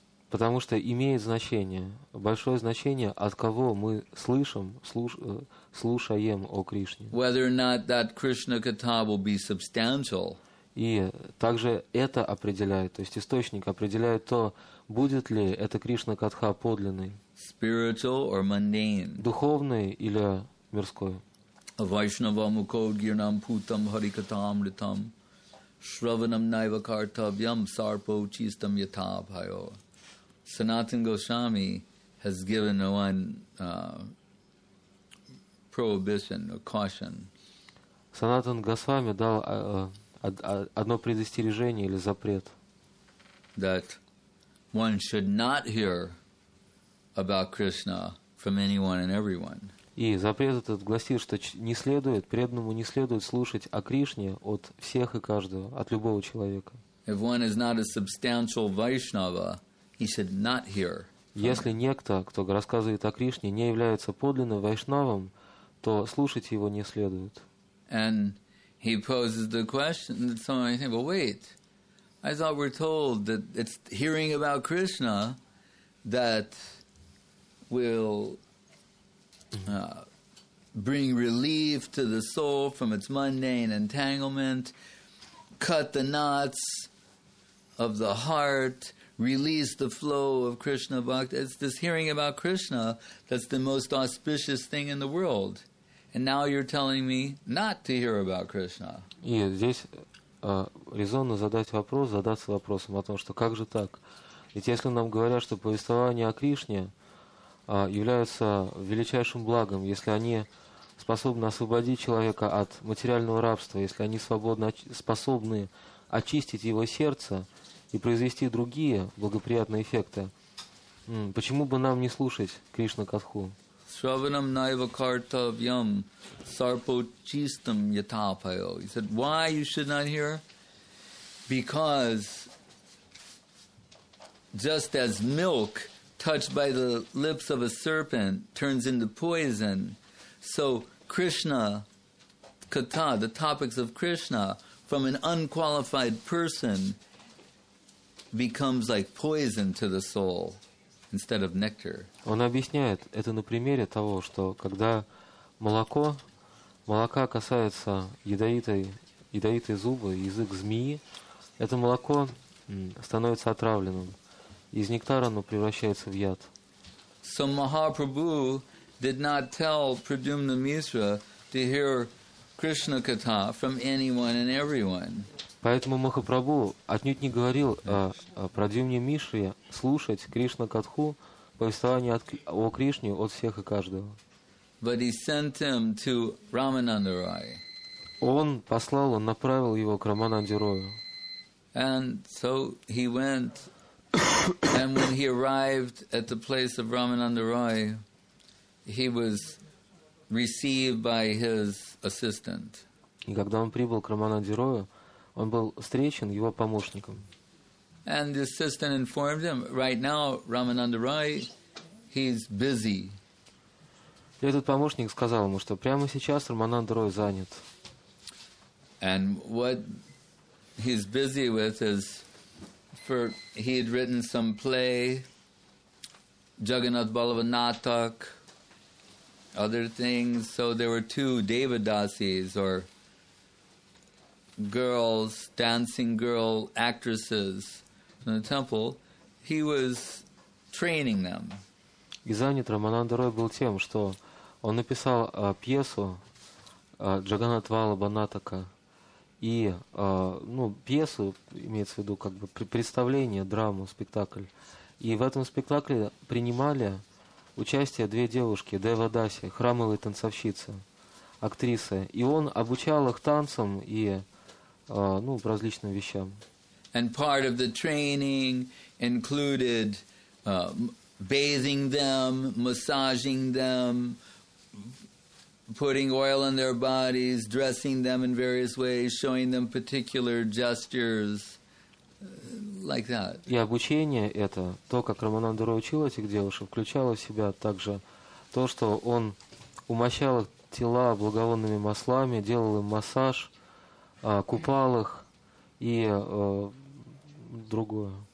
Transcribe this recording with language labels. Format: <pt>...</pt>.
<ru>Потому что имеет значение, большое значение, от кого мы слышим, слушаем о Кришне.</ru> <en>Whether or not that Krishna katha will be substantial.</en> <ru>И также это определяет, то есть источник определяет то, будет ли эта Кришна катха подлинной.</ru> <en>Spiritual or mundane.</en> <ru>Духовной или мирской.</ru> <sa>Vaishnava mukodgirnam putam harikatam ritam shravanam naivakartavyam sarpo chistam yathabhayo.</sa> <en>Sanatan Goswami has given one prohibition or caution.</en> <ru>Sanatan Goswami дал одно предостережение или запрет.</ru> <en>That one should not hear about Krishna from anyone and everyone.</en> <ru>И запрет этот гласит, что не следует, преданному не следует слушать о Кришне от всех и каждого, от любого человека.</ru> <en>If one is not a substantial Vaishnava, he should not hear.</en> <ru>Если некто, кто рассказывает о Кришне, не является подлинным вайшнавом, то слушать его не следует.</ru> <en>And he poses the question that someone might think, well, wait, I thought we're told that it's hearing about Krishna that will bring relief to the soul from its mundane entanglement, cut the knots of the heart, release the flow of Krishna bhakti. It's this hearing about Krishna that's the most auspicious thing in the world. And now you're telling me not to hear about Krishna.</en> <ru>И здесь резонно задаться вопросом о том, что как же так? Ведь если нам говорят, что повествование о Кришне являются величайшим благом, если они способны освободить человека от материального рабства, если они способны очистить его сердце и произвести другие благоприятные эффекты, почему бы нам не слушать Кришна Катху?</ru> <sa>Shravanam naiva kartavyam sarpo chistam yathapayo.</sa> <en>He said, why you should not hear? Because just as milk touched by the lips of a serpent turns into poison, so Krishna katha, the topics of Krishna, from an unqualified person becomes like poison to the soul instead of nectar.</en> <ru>Он объясняет это на примере того, что когда молока касается ядовитой зубы, язык змеи, это молоко становится отравленным. Из нектара оно превращается в яд.</ru> <en>So Mahaprabhu did not tell Pradyumna Mishra to hear Krishna katha from anyone and everyone.</en> <ru>Поэтому Махапрабху отнюдь не говорил Прадюмне Мишре слушать Кришна Катху, повествование о Кришне от всех и каждого.</ru> <en>But he sent him to Ramananda Rai.</en> <ru>Он направил его к Рамананде Рою.</ru> <en>And so he went. And when he arrived at the place of Ramananda Rai, he was received by his assistant.</en> <ru>И когда он прибыл к Рамананде Рою, он был встречен его помощником.</ru> <en>And the assistant informed him, right now, Ramananda Rai, he's busy.</en> <ru>И этот помощник сказал ему, что прямо сейчас Рамананда Рой занят.</ru> <en>And what he's busy with is, for he had written some play, Jagannath Balava Natak, other things. So there were two Devadasis, or girls, dancing girl actresses in the temple. He was training them.</en> <ru>И занят Рамананда Рой был тем, что он написал пьесу Джаганнатха Валлабха Натака. И, пьесу, имеется в виду, как бы представление, драму, спектакль. И в этом спектакле принимали участие две девушки, Девадаси, храмовые танцовщицы, актрисы. И он обучал их танцам и различным вещам.</ru> <en>And part of the training included bathing them, massaging them, putting oil on their bodies, dressing them in various ways, showing them particular gestures, like that.</en> <ru>И обучение это, то, как Рамананда Рой учил этих девушек, включало в себя также то, что он умощал их тела благовонными маслами, делал им массаж, купал их и другое.</ru>